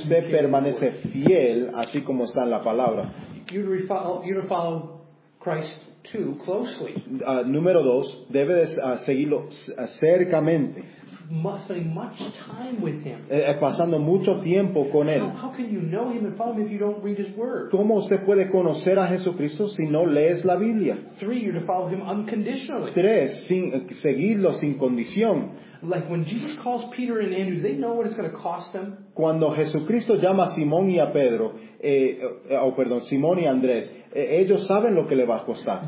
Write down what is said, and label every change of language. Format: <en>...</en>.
<es>usted permanece fiel así como está en la palabra.</es> <en>You're to follow Christ too closely.</en> <es>Número dos, debe de seguirlo cercamente.</es> <en>Spending much time with him.</en> <es>Pasando mucho tiempo con él.</es> <en>How can you know him and follow him if you don't read his word?</en> <es>¿Cómo usted puede conocer a Jesucristo si no lees la Biblia?</es> <en>3, you're to follow him unconditionally.</en> <es>3, seguirlo sin condición.</es> <en>Like when Jesus calls Peter and Andrew, they know what it's going to cost them.</en> <es>Cuando Jesucristo llama a Simón y a Pedro, Simón y Andrés, ellos saben lo que le va a costar.</es>